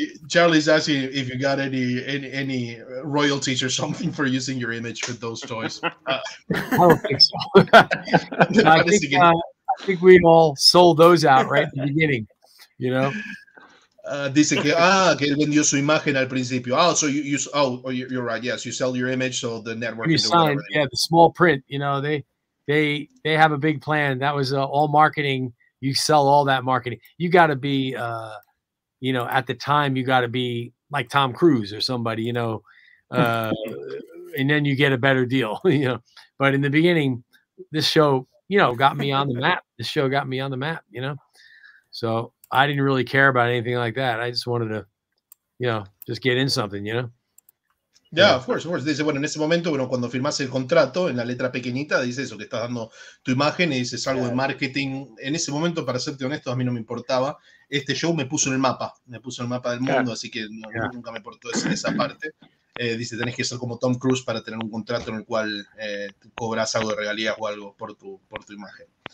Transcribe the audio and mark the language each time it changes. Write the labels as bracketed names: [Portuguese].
[English] Charlie's asking if you got any royalties or something for using your image with those toys. I don't think so. I think we all sold those out right at the beginning, you know? [Spanish] Dice que, que vendió su imagen al principio. [English] Oh, so you're right. Yes, you sell your image, so the network. You sign, whatever. Yeah, the small print, you know, they have a big plan. That was all marketing. You sell all that marketing. You got to be, you know, at the time, you got to be like Tom Cruise or somebody, you know, and then you get a better deal, you know. But in the beginning, this show, you know, got me on the map. This show got me on the map, you know. So I didn't really care about anything like that. I just wanted to, you know, just get in something, you know. Yeah, of course. [Spanish] Dice, bueno, en ese momento, bueno, cuando firmaste el contrato, en la letra pequeñita, dice eso, que estás dando tu imagen y dices algo de marketing. En ese momento, para serte honesto, a mí no me importaba. Este show me puso en el mapa del mundo, así que nunca me importó esa parte. Dice, tenés que ser como Tom Cruise para tener un contrato en el cual cobras algo de regalías o algo por tu imagen.